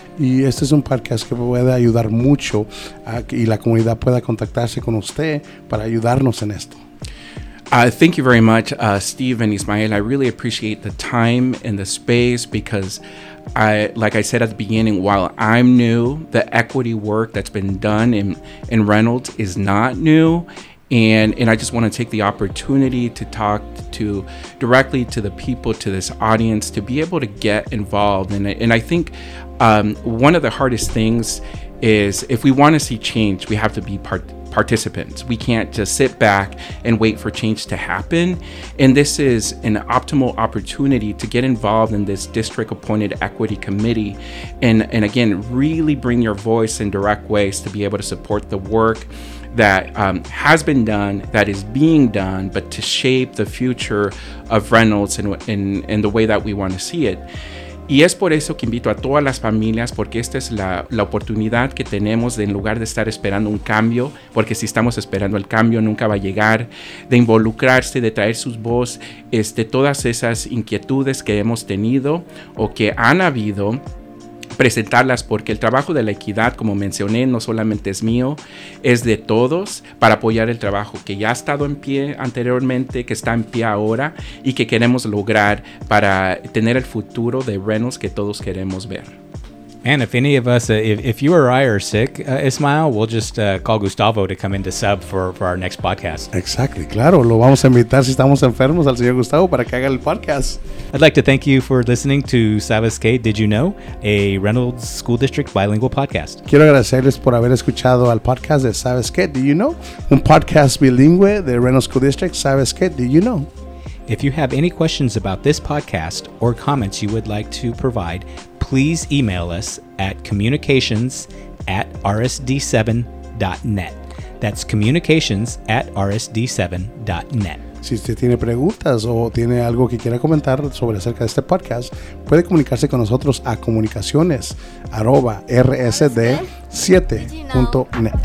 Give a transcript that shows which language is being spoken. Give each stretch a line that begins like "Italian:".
Spanish: Y este es un podcast que puede ayudar mucho a que la comunidad pueda contactarse con usted para ayudarnos en esto.
English: Thank you very much, Steve and Ismael. I really appreciate the time and the space because, like I said at the beginning, while I'm new, the equity work that's been done in Reynolds is not new. And I just want to take the opportunity to talk to directly to the people, to this audience, to be able to get involved. And I think one of the hardest things is if we want to see change, we have to be participants. We can't just sit back and wait for change to happen. And this is an optimal opportunity to get involved in this district appointed equity committee. And again, really bring your voice in direct ways to be able to support the work that has been done, that is being done, but to shape the future of Reynolds in the way that we want to see it. Y es por eso que invito a todas las familias, porque esta es la oportunidad que tenemos de, en lugar de estar esperando un cambio, porque si estamos esperando el cambio nunca va a llegar, de involucrarse, de traer sus voz, todas esas inquietudes que hemos tenido o que han habido, presentarlas, porque el trabajo de la equidad, como mencioné, no solamente es mío, es de todos, para apoyar el trabajo que ya ha estado en pie anteriormente, que está en pie ahora y que queremos lograr para tener el futuro de Reynolds que todos queremos ver. And if any of us, if you or I are sick, Ismael, we'll just call Gustavo to come in to sub for our next podcast. Exactly,
Spanish: claro. Lo vamos a invitar si estamos enfermos al señor Gustavo para que haga el podcast.
English: I'd like to thank you for listening to Sabes Que Did You Know, a Reynolds School District bilingual podcast.
Spanish: Quiero agradecerles por haber escuchado al podcast de Sabes Que Did You Know, un podcast bilingüe de Reynolds School District.
English: Sabes Que Did You Know. If you have any questions about this podcast or comments you would like to provide, please email us at communications@rsd7.net. That's communications@rsd7.net.
Spanish: Si usted tiene preguntas o tiene algo que quiera comentar sobre acerca de este podcast, puede comunicarse con nosotros a comunicaciones@rsd7.net.